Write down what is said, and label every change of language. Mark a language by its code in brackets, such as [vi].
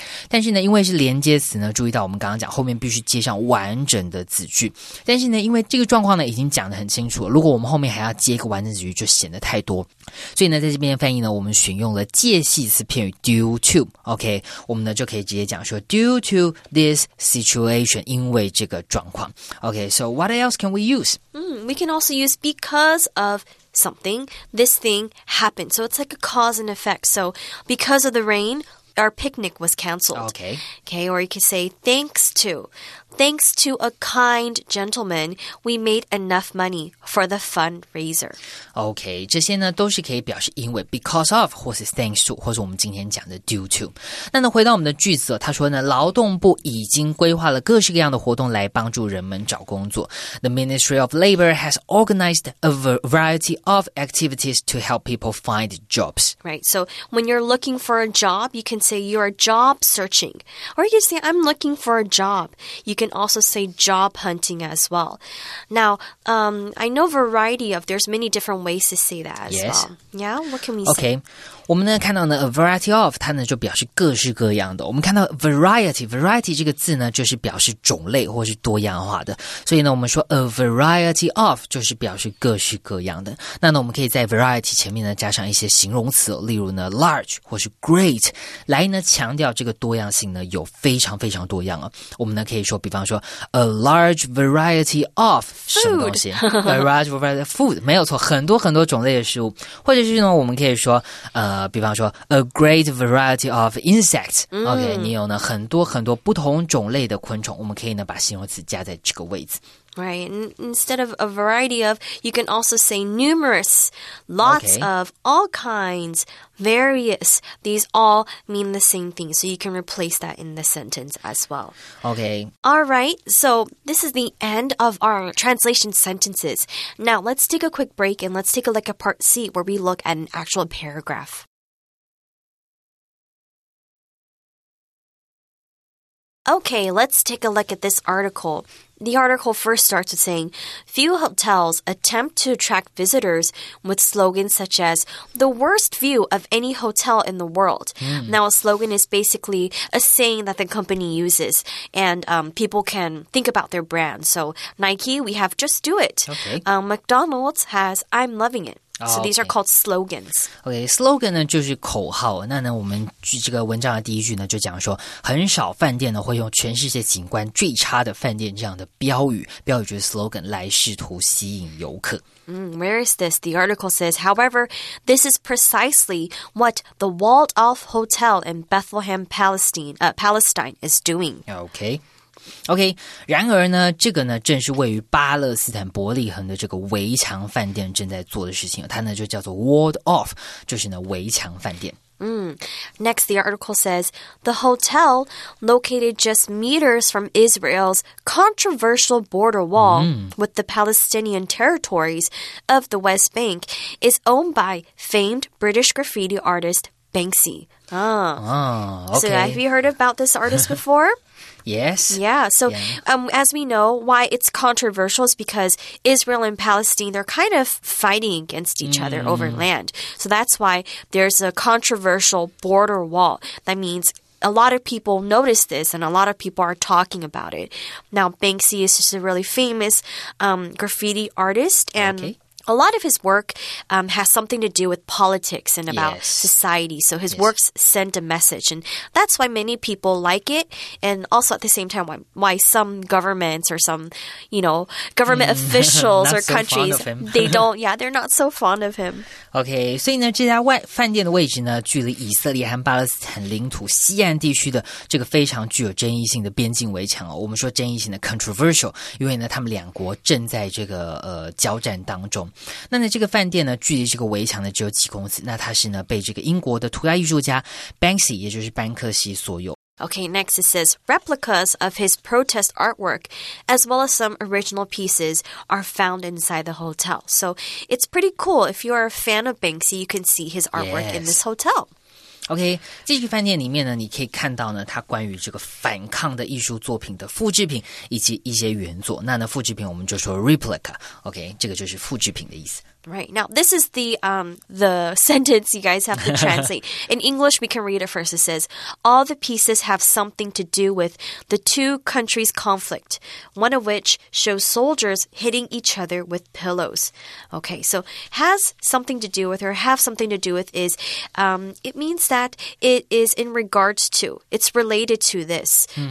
[zh] 但是呢，因为是连接词呢，注意到我们刚刚讲后面必须接上完整的子句。但是呢，因为这个状况呢已经讲得很清楚了，如果我们后面还要接一个完整子句，就显得太多。所以呢，在这边翻译呢，我们选用了介系词片语 [en] due to。 [zh] OK, 我们呢就可以直接讲说 [en] due to this situation, [zh] 因为这个状况。 [en] OK, so what else can we use? We can also use because of. Something, this thing happened. So it's like a cause and effect. So because of the rain, our picnic was canceled. Okay. Okay, or you could say thanks to a kind gentleman, we made enough money for the fundraiser. [zh] Okay, 这些呢都是可以表示因为 [en] because of, [zh] 或是 [en] thanks to, [zh] 或是我们今天讲的 [en] due to. [zh] 那呢回到我们的句子，他说呢劳动部已经规划了各式各样的活动来帮助人们找工作。 [en] The Ministry of Labor has organized a variety of activities to help people find jobs. Right, so when you're looking for a job, you can say you're job searching. Or you can say I'm looking for a job. You can also say job hunting as well. Now, I know variety of, there's many different ways to say that as yes. well. Yeah, what can we okay. say? [zh] Okay, 我们呢看到呢 [en] a variety of, [zh] 它呢就表示各式各样的。我们看到 variety 这个字呢就是表示种类或是多样化的。所以呢我们说 [en] a variety of [zh] 就是表示各式各样的。那呢我们可以在 variety 前面呢加上一些形容词，例如呢 large 或是 great, 来呢强调这个多样性呢有非常非常多样了。我们呢可以说，比方说 [en] a large variety of [zh] 什么东西 [en] a large variety of food [zh] 没有错，很多很多种类的食物，或者是呢我们可以说比方说 [en] a great variety of insects、 [zh] OK, 你有呢很多很多不同种类的昆虫，我们可以呢把形容词加在这个位置。 [en] Right, and instead of a variety of, you can also say numerous, lots、okay. of, all kinds, various. These all mean the same thing, so you can replace that in the sentence as well. Okay. All right, so this is the end of our translation sentences. Now, let's take a quick break and let's take a look at part C where we look at an actual paragraph. Okay, let's take a look at this article. The article first starts with saying, few hotels attempt to attract visitors with slogans such as, the worst view of any hotel in the world.、Mm. Now, a slogan is basically a saying that the company uses, and、people can think about their brand. So, Nike, we have Just Do It. Okay.、 McDonald's has I'm Loving It. So these are called slogans. [zh] Okay, slogan 呢就是口号。那呢，我们这个文章的第一句呢，就讲说，很少饭店呢会用全世界景观最差的饭店这样的标语，标语就是 slogan 来试图吸引游客。 [en] Where is this? The article says, however, this is precisely what the walled-off hotel in Bethlehem, Palestine is doing. Okay. [zh] OK, 然而呢这个呢正是位于巴勒斯坦伯利恒的这个围墙饭店正在做的事情，它呢就叫做 [en] walled off, [zh] 就是呢围墙饭店。 [en] Next, the article says, the hotel, located just meters from Israel's controversial border wall、with the Palestinian territories of the West Bank, is owned by famed British graffiti artist Banksy. Okay. So have you heard about this artist before? Yes. Yeah, so yeah.、as we know, why it's controversial is because Israel and Palestine, they're kind of fighting against each、other over land. So that's why there's a controversial border wall. That means a lot of people notice this and a lot of people are talking about it. Now, Banksy is just a really famous、graffiti artist. And okay. A lot of his work、has something to do with politics and about、 yes. society. So his、yes. works send a message. And that's why many people like it. And also at the same time, why some governments or some, you know, government、officials or、 so、 countries, they don't, yeah, they're not so fond of him. [zh] Okay, 所以呢这家外饭店的位置呢距离以色列和巴勒斯坦领土西岸地区的这个非常具有争议性的边境围墙、哦、我们说争议性的 controversial, 因为呢他们两国正在这个、交战当中。那呢这个饭店呢距离这个围墙呢只有几公尺，那它是呢被这个英国的涂鸦艺术家 Banksy, 也就是班克西所有。 [en] Okay, next it says, replicas of his protest artwork, as well as some original pieces, are found inside the hotel. So it's pretty cool. If you are a fan of Banksy, you can see his artwork、 yes. in this hotel. [zh] OK, 这个饭店里面呢你可以看到呢它关于这个反抗的艺术作品的复制品以及一些原作。那呢复制品我们就说 replica,OK,、okay, 这个就是复制品的意思。 [en] Right. Now, this is the sentence you guys have to translate. In English, we can read it first. It says, all the pieces have something to do with the two countries' conflict, one of which shows soldiers hitting each other with pillows. Okay, so has something to do with or have something to do with is, it means that it is in regards to, it's related to this. Mm-hmm.